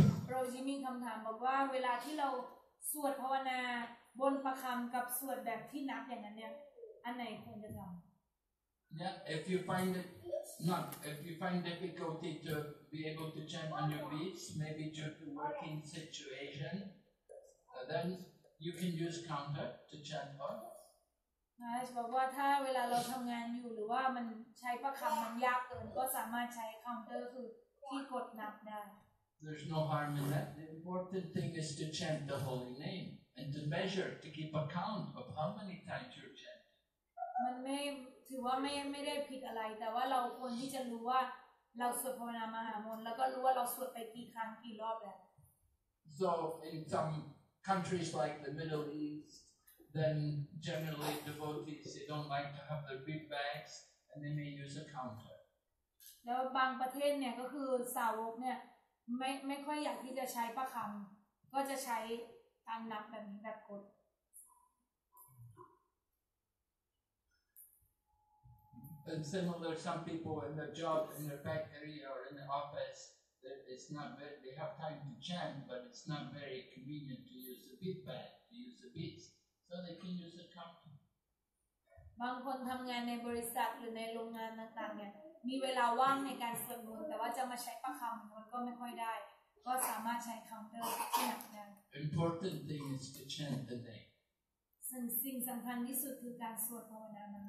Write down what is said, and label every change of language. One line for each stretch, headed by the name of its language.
Thai: เราจะมีคำถามบอกว่าเวลาที่เราสวดภาวนาบนประคำกับสวดแบบที่นับอย่างนั้นเนี่ยอันไหนควรจะทำ
English: Yeah, if you find difficulty to be able to chant on your beats, maybe due to working situation, then you can use counter to chant on. Nice.
Thai: บอกว่าถ้าเวลาเราทำงานอยู่หรือว่ามันใช้ประคำมันยากเกินก็สามารถใช้ counter คือที่กดนับได้
English: There's no harm in that. The important thing is to chant the holy name and to measure to keep account of how many times you're chanting.
Thai: มันไม่ถือว่าไม่ได้ผิดอะไรแต่ว่าเราควรที่จะรู้ว่าเราสวดภาวนามหามนต์แล้วก็รู้ว่าเราสวดไปกี่ครั้งกี่รอบแล้ว
English: So in some countries like the Middle East then generally devotees they don't like to have their big bags and they may use a counter
Thai: แล้วบางประเทศเนี่ยก็คือสาวกเนี่ยไม่ค่อยอยากที่จะใช้ประคำก็จะใช้การนับแบบนี้แบบกด
English: And similar, some people in their job, in their factory, or in the office, that it's not very. They have time to chant, but it's not very convenient to use the beat bag, to use the beats, so they can use a counter.
Thai: บางคนทำงานในบริษัทหรือในโรงงานต่างๆเนี่ยมีเวลาว่างในการสวดมนต์แต่ว่าจะมาใช้ประคำมันก็ไม่ค่อยได้ก็สามารถใช้คัมเตอร์ที่หนักได้
English: Important thing is to chant the name.
Thai: สิ่งสำคัญที่สุดคือการสวดภาวนา